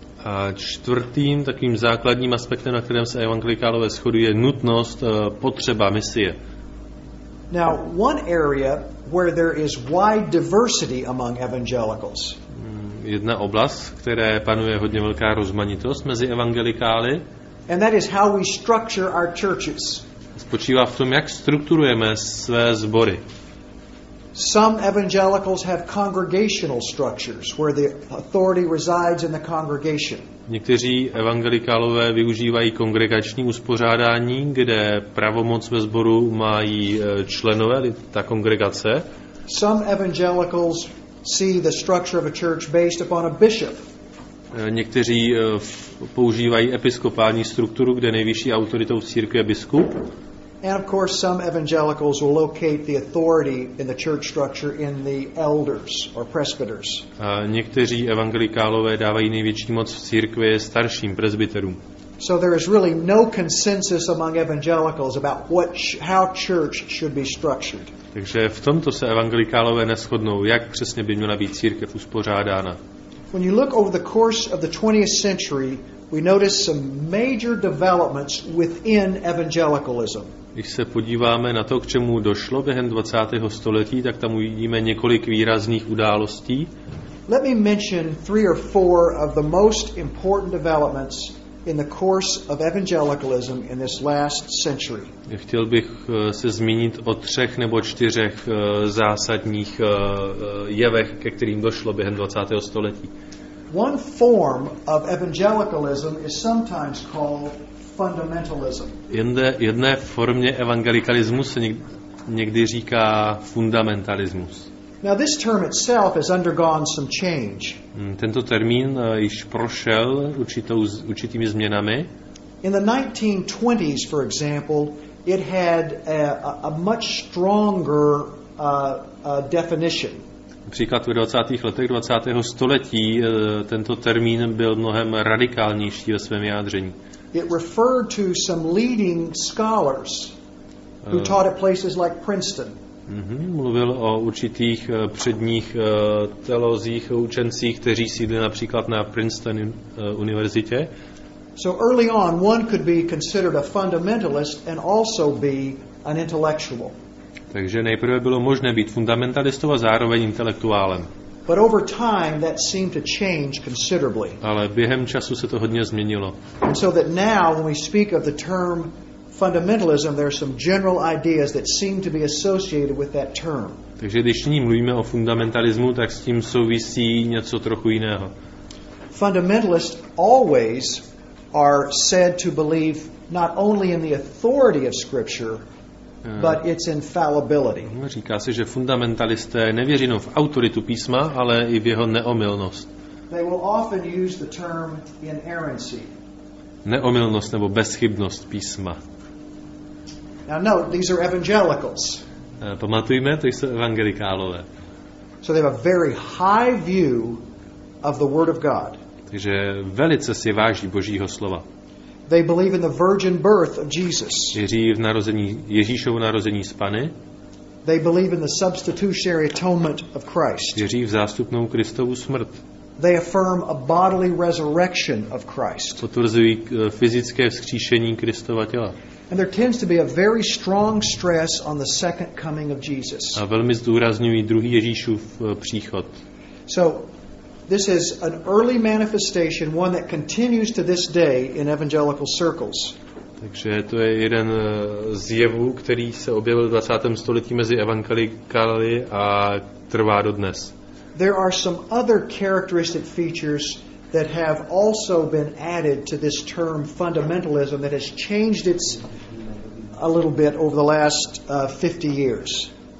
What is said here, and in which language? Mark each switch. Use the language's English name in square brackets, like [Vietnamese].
[Czech] A čtvrtým takovým základním aspektem, na kterém se evangelikálové shodují, je nutnost, potřeba misie. [English] Now, one area where there is wide diversity among evangelicals. [Czech] Jedna oblast, které panuje hodně velká rozmanitost mezi evangelikály. [English] And that is how we structure our churches. [Czech] Spočívá v tom, jak strukturujeme své sbory. [English] Some evangelicals have congregational structures where the authority resides in the congregation. [Czech] Někteří evangelikálové využívají kongregační uspořádání, kde pravomoc ve sboru mají členové ta kongregace. [English] Some evangelicals see the structure of a church based upon a bishop. [Czech] Někteří používají episkopální strukturu, kde nejvyšší autoritou v církvi je biskup. [English] And of course some evangelicals will locate the authority in the church structure in the elders or presbyters. [Czech] A někteří evangelikálové dávají největší moc v církvi starším presbyterům. [English] So there is really no consensus among evangelicals about what how church should be structured. [Czech] Takže v tomto se evangelikálové neshodnou, jak přesně by měla být církev uspořádána. [English] When you look over the course of the 20th century, we notice some major developments within evangelicalism. [Czech] Když se podíváme na to, k čemu došlo během 20. století, tak tam uvidíme několik výrazných událostí. [English] Let me mention three or four of the most important developments in the course of evangelicalism in this last century. [Czech] Chtěl bych se zmínit o třech nebo čtyřech zásadních jevech, ke kterým došlo během 20. století. [English] One form of evangelicalism is sometimes called fundamentalism. [Czech] Jedné formě evangelikalismu se někdy říká fundamentalismus. [English] Now this term itself has undergone some change. [Czech] Tento termín již prošel určitými změnami. [English] In the 1920s, for example, it had a much stronger definition. [Czech] Například v 20. letech 20. století tento termín byl mnohem radikálnější ve svém vyjádření. [English] It referred to some leading scholars who taught at places like Princeton. [Czech] Mluvil o určitých předních teolozích, učencích, kteří sídli například na Princeton univerzitě. [English] So early on one could be considered a fundamentalist and also be an intellectual. [Czech] Takže nejprve bylo možné být fundamentalistou a zároveň intelektuálem. [English] But over time that seemed to change considerably. [Czech] Ale během času se to hodně změnilo. [English] And so that now when we speak of the term fundamentalism, there are some general ideas that seem to be associated with that term. [Czech] Takže když nyní mluvíme o fundamentalismu, tak s tím souvisí něco trochu jiného. [English] Fundamentalists always are said to believe not only in the authority of scripture, but its infallibility. [Czech] Říká se, že fundamentalisté nevěří jenom v autoritu písma, ale i v jeho neomylnost. [English] They will often use the term inerrancy. [Czech] Neomylnost nebo bezchybnost písma. [English] Now note, these are evangelicals. [Czech] Pamatujme, to jsou evangelikálové. [English] So they have a very high view of the word of God. [Czech] Takže velice si váží Božího slova. [English] They believe in the virgin birth of Jesus. [Czech] Věří v narození Ježíšovo narození z Panny. [English] They believe in the substitutionary atonement of Christ. [Czech] Věří v zástupnou Kristovu smrt. [English] They affirm a bodily resurrection of Christ. [Czech] Potvrzují fyzické vzkříšení Kristova těla. [English] And there tends to be a very strong stress on the second coming of Jesus. [Czech] A velmi zdůrazňují druhý Ježíšův příchod. [English] So this is an early manifestation, one that continues to this day in evangelical circles. [Czech] Takže to je jeden z jevů, který se objevil v 20. století mezi evangelikály a trvá dodnes. [English] There are some other characteristic features that have also been added to this term fundamentalism that has changed its a little bit over the last 50 years.